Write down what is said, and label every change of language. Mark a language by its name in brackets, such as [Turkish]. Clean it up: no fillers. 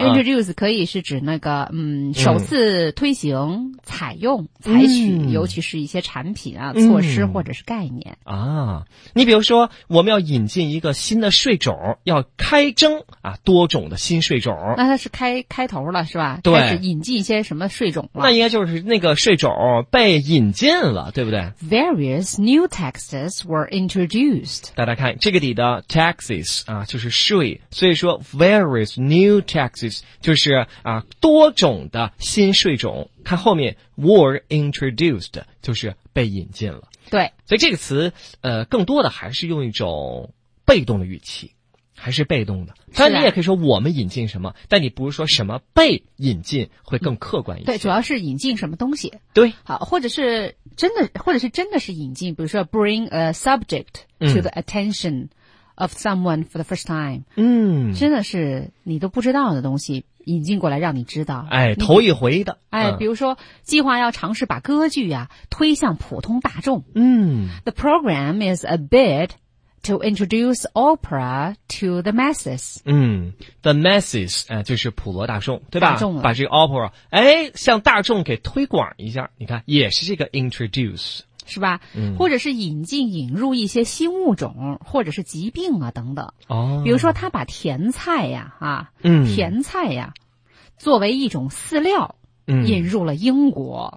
[Chinese] introduce 可以是指那个，首次推行、采用、采取，尤其是一些产品啊、措施或者是概念啊。你比如说，我们要引进一个新的税种，要开征啊多种的新税种。那它是开头了是吧？对，开始引进一些什么税种了？那应该就是那个税种被引进了，对不对 [English] ？Various new taxes were introduced。 [Chinese] 大家看这个底的。 Taxes 啊，就是税，所以说 [English] various new taxes [Chinese] 就是啊多种的新税种。看后面 [English] were introduced [Chinese] 就是被引进了。对，所以这个词更多的还是用一种被动的语气，还是被动的。当然你也可以说我们引进什么，但你不是说什么被引进会更客观一些。对，主要是引进什么东西。对，好，或者是真的是引进，比如说 [English] bring a subject to the attention。 Of someone for the first time， [Chinese] 嗯，真的是你都不知道的东西引进过来让你知道，哎，头一回的，哎，比如说计划要尝试把歌剧啊推向普通大众，嗯 [English] ，The program is a bid to introduce opera to the masses， [Chinese] 嗯 ， [English] the masses， [Chinese] 就是普罗大众，对吧？大众了，把这个 opera， 哎，向大众给推广一下，你看也是这个 introduce。是吧？或者是引进引入一些新物种或者是疾病啊等等。哦，比如说他把甜菜呀甜菜呀作为一种饲料引入了英国。